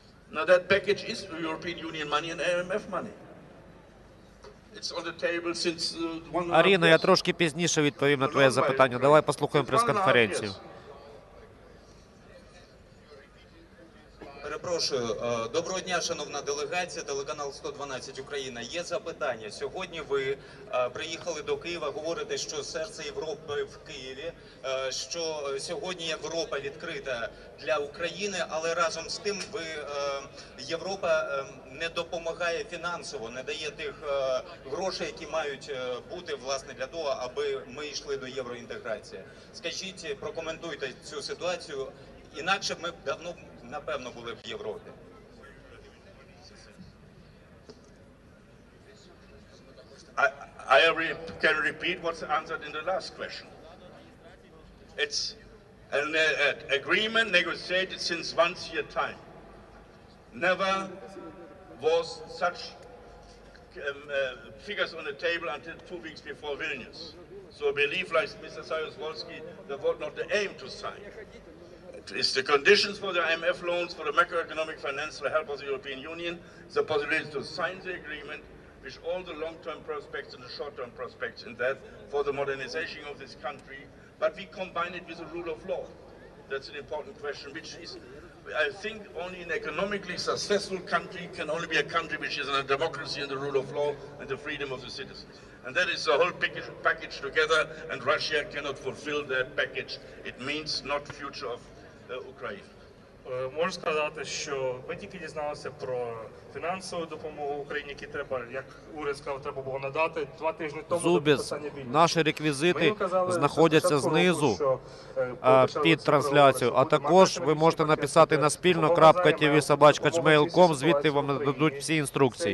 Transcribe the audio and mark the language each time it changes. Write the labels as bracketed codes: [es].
[en] Now that package is European Union money and IMF money. It's on the table since one. [uk] Аріно, я трошки пізніше відповім на твоє запитання. Давай послухаємо прес-конференцію. Перепрошую. Доброго дня, шановна делегація, телеканал 112 Україна. Є запитання. Сьогодні ви приїхали до Києва, говорите, що серце Європи в Києві, що сьогодні Європа відкрита для України, але разом з тим ви Європа не допомагає фінансово, не дає тих грошей, які мають бути власне для того, аби ми йшли до євроінтеграції. Скажіть, прокоментуйте цю ситуацію. Інакше ми давно напевно були в Європі. [en] I can repeat what's answered in the last question. It's an agreement negotiated since once year time. Never was such figures on the table until 2 weeks before Vilnius. So I believe, like Mr. Sajoswalski, that was not the aim to sign. It's the conditions for the IMF loans, for the macroeconomic financial help of the European Union, the possibility to sign the agreement, which all the long-term prospects and the short-term prospects in that for the modernization of this country. But we combine it with the rule of law. That's an important question, which is, I think, only an economically successful country can only be a country which is in a democracy and the rule of law and the freedom of the citizens. And that is the whole package together, and Russia cannot fulfill that package. It means not future of Україна. [uk] Можу сказати, що ми тільки дізналися про фінансову допомогу Україні, які треба, як уряд сказав, треба було надати 2 тижні тому. Зубіс, наші реквізити знаходяться знизу під трансляцією, а також ви можете написати на spilno.tv@gmail.com, звідти вам нададуть всі інструкції.